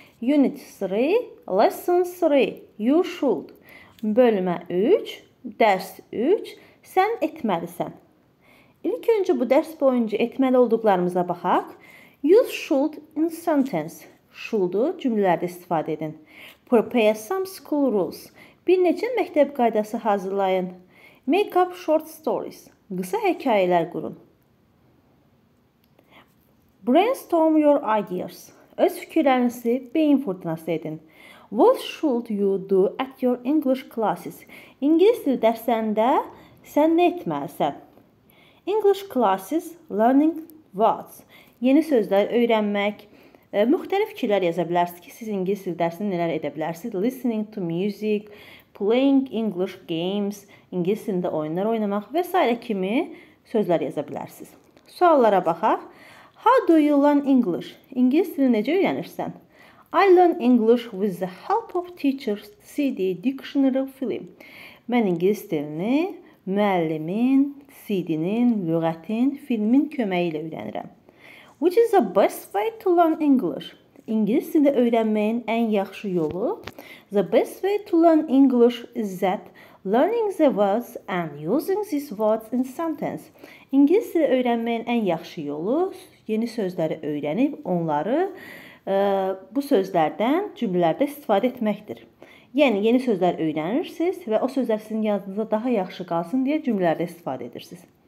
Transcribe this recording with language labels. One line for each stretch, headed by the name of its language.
English: Unit 3, Lesson 3, You Should.
Azerbaijani: Bölmə 3, dərs 3, sən etməlisən. İlk öncə bu dərs boyunca etməli olduqlarımıza baxaq.
English: You should in sentence.
Azerbaijani: Should-u cümlələrdə istifadə edin.
English: Prepare some school rules.
Azerbaijani: Bir neçə məktəb qaydası hazırlayın.
English: Make up short stories.
Azerbaijani: Qısa hekayələr qurun.
English: Brainstorm your ideas.
Azerbaijani: Öz fikirlərinizi beyin fırtınası edin.
English: What should you do at your English classes?
Azerbaijani: İngilis dil dərslərində sən nə etməlisən?
English: English classes, learning what?
Azerbaijani: Yeni sözlər öyrənmək. Müxtəlif fikirlər yaza bilərsiniz ki, siz İngilis dil dərsini nələr edə bilərsiniz?
English: Listening to music, playing English games,
Azerbaijani: İngilis dilində oyunlar oynamaq və s. kimi sözlər yaza bilərsiniz. Suallara baxaq.
English: How do you learn English?
Azerbaijani: İngilis dilini necə öyrənirsən?
English: I learn English with the help of teachers, CD, dictionary, film.
Azerbaijani: Mən İngilis dilini müəllimin, CD-nin, lüğətin, filmin köməyi ilə öyrənirəm.
English: Which is the best way to learn English?
Azerbaijani: İngilis dilində öyrənməyin ən yaxşı yolu.
English: The best way to learn English is that learning the words and using these words in sentence.
Azerbaijani: İngilis dilində öyrənməyin ən yaxşı yolu yeni sözləri öyrənib onları bu sözlərdən cümlələrdə istifadə etməkdir. Yəni, yeni sözlər öyrənirsiniz və o sözlər sizin yadınızda daha yaxşı qalsın deyə cümlələrdə istifadə edirsiniz.